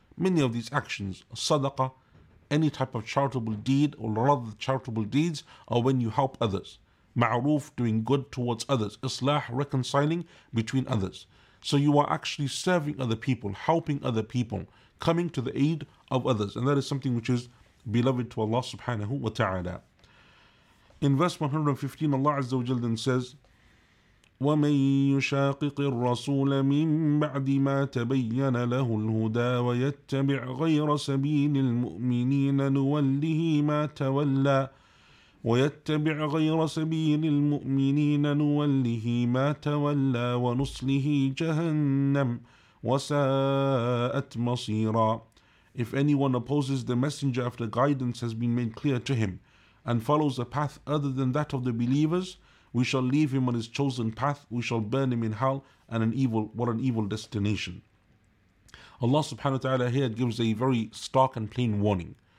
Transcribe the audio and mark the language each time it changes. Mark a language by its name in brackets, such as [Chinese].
[English] Many of these actions, sadaqah, any type of charitable deed, or rather charitable deeds, are when you help others. Ma'roof, doing good towards others. Islah, reconciling between others. So you are actually serving other people, helping other people, coming to the aid of others. And that is something which is beloved to Allah subhanahu wa ta'ala. In verse 115, Allah Azza wa Jalla says, [Arabic] وَمَنْ يُشَاقِقِ الرَّسُولَ مِنْ بَعْدِ مَا تَبَيَّنَ لَهُ الْهُدَى وَيَتَّبِعْ غَيْرَ سَبِيلِ الْمُؤْمِنِينَ نُوَلِّهِ مَا تَوَلَّى وَيَتَّبِعْ غَيْرَ سَبِيلِ الْمُؤْمِنِينَ نُوَلِّهِ مَا تَوَلَّى وَنُصْلِهِ جَهَنَّمْ وَسَاءَتْ مَصِيرًا. [English] If anyone opposes the messenger after guidance has been made clear to him and follows a path other than that of the believers, we shall leave him on his chosen path, we shall burn him in hell, and what an evil destination. Allah subhanahu wa ta'ala here gives a very stark and plain warning.